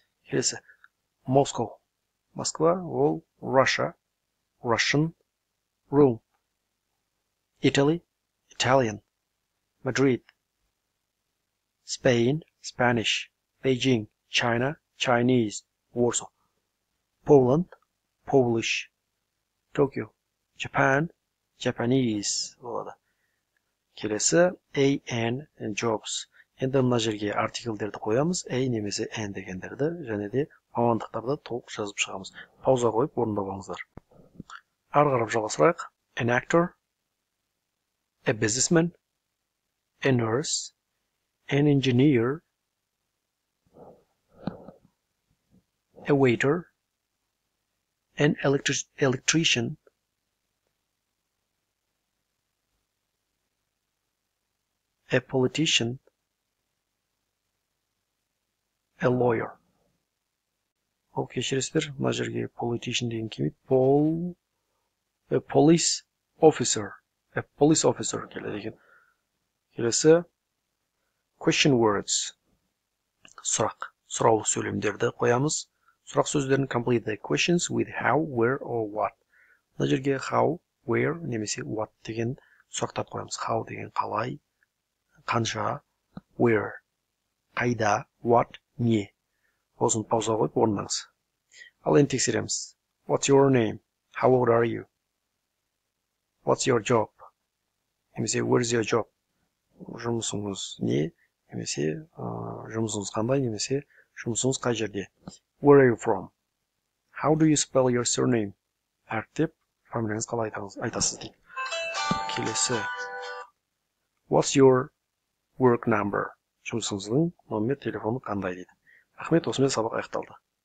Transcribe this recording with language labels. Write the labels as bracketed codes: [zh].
[en] Келесі, Moscow, Москва, ол, Russia, Russian, Rome, Italy, Italian, Madrid, Spain, Spanish, Beijing, China, Chinese, Warsaw, Poland, Polish, Tokyo, Japan, Japanese болады. Келесі, A, N, and Jobs. [kk] Енді мына жерге артикльдерді қоямыз. A немесе N дегендерді. Және де мамандықтарды толық жазып шығамыз. Пауза қойып орындап алыңыздар. Ары қарап жалғастырайық. [en] An actor, a businessman, a nurse, an engineer, a waiter, an electrician, a politician, a lawyer. [kk] Ол кешіресіздер, мына жерге politician деген келмейді. [en] A police officer. A police officer [kk] келеді екен. Келесі, [en] question words. [kk] Сұрақ. Сұраулы сөйлемдерді қоямыз. Сұрақ сөздерін [en] complete the questions with how, where or what. [kk] Мына жерге how, where немесе what деген сұрақтар қоямыз. How деген қалай, қанша, where, қайда, what, не. Осын пауза қойып орындаңыз. [en] Ал енді тексереміз. What's your name? How old are you? What's your job? Немесе where's your job? [kk] Жұмысыңыз не? Немесе жұмысыңыз қандай? Немесе жұмысыңыз қай жерде? [en] Where are you from? How do you spell your surname? [kk] Әріптеп, фамилияңыз қалай айтасыз дейді. Келесі. [en] What's your work number? [kk] Жұмысыңыздың номер телефоны қандай дейді. Рахмет, осымен сабақ аяқталды.